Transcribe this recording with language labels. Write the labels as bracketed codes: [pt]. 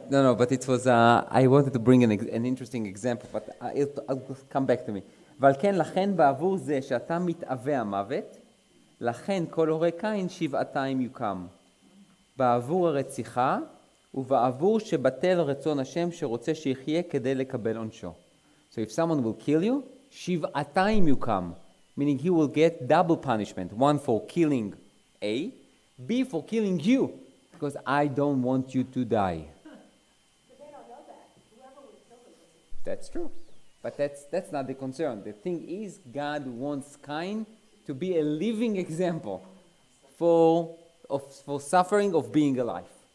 [en] No, but it was, I wanted to bring an interesting example, but it'll come back to me. [he] ועל כן, לכן בעבור זה שאתה מתאווה המוות, לכן כל הורי קין שבעתיים יוקם. בעבור הרציחה, ובעבור שבטל רצון השם שרוצה שיחיה כדי לקבל עונשו. [en] So if someone will kill you, [he] שבעתיים יוקם. [en] Meaning he will get double punishment. One for killing A, B for killing you. Because I don't want you to die. That's true. But that's not the concern. The thing is, God wants Cain to be a living example for suffering of being alive.